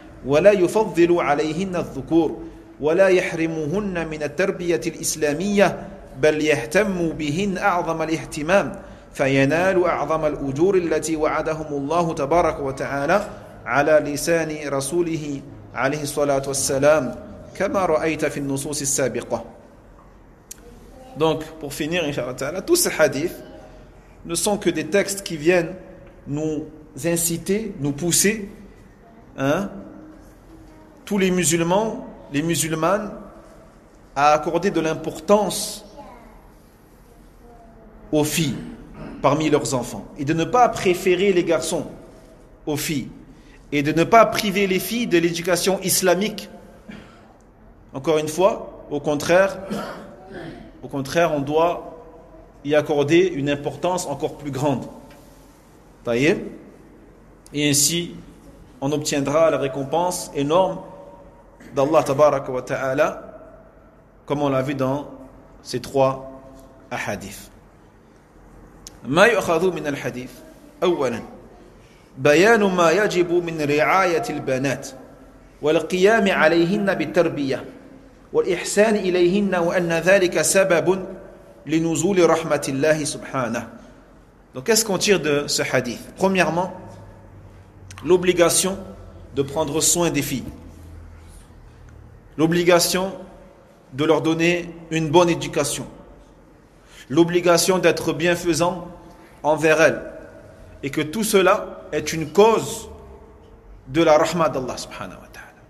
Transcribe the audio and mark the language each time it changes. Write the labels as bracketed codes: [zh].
[ar] ولا يفضل عليهن الذكور ولا يحرمهن من التربية الإسلامية بل يهتم بهن أعظم الاهتمام فينال أعظم الأجور التي وعدهم الله تبارك وتعالى على لسان رسوله عليه الصلاة والسلام كما رأيت في النصوص السابقة. [fr] Donc pour finir inshallah ta'ala, tous ces hadiths ne sont que des textes qui viennent nous inciter, nous pousser, hein, tous les musulmans, les musulmanes, a accordé de l'importance aux filles parmi leurs enfants et de ne pas préférer les garçons aux filles et de ne pas priver les filles de l'éducation islamique. Encore une fois, au contraire, on doit y accorder une importance encore plus grande. Taïe. Et ainsi, on obtiendra la récompense énorme d'Allah tabarak wa ta'ala, comme on l'a vu dans ces trois ahadith. [ar] ما يؤخذ من الحديث اولا بيان ما يجب من رعايه البنات والقيام عليهن بالتربيه والاحسان اليهن وان ذلك سبب لنزول رحمه الله سبحانه. [fr] Donc qu'est-ce qu'on tire de ce hadith? Premièrement, l'obligation de prendre soin des filles. L'obligation de leur donner une bonne éducation. L'obligation d'être bienfaisant envers elle, et que tout cela est une cause de la rahma d'Allah subhanahu wa ta'ala.